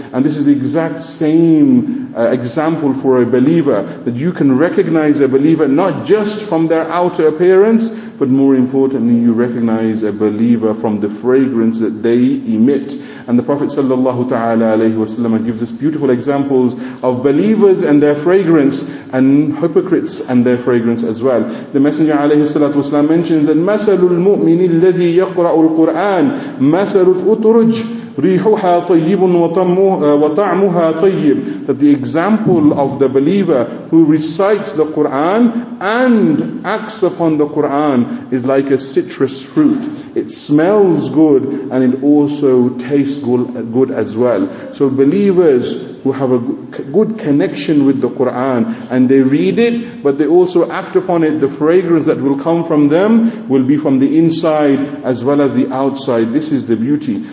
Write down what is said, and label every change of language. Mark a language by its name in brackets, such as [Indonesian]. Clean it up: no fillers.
[English] And this is the exact same example for a believer, that you can recognize a believer not just from their outer appearance, but more importantly, you recognize a believer from the fragrance that they emit. And the Prophet sallallahu ta'ala alayhi wasallam gives us beautiful examples of believers and their fragrance, and hypocrites and their fragrance as well. The Messenger alayhi salatu wasallam mentions that [Arabic] مَثَلُ الْمُؤْمِنِ الَّذِي يَقْرَأُ الْقُرْآنِ مَثَلُ الْأُطُرُجِ رِيحُهَا طَيِّبٌ وَطَعْمُهَا طَيِّبٌ. [English] That the example of the believer who recites the Qur'an and acts upon the Qur'an is like a citrus fruit. It smells good and it also tastes good as well. So believers who have a good connection with the Qur'an and they read it, but they also act upon it, the fragrance that will come from them will be from the inside as well as the outside. This is the beauty.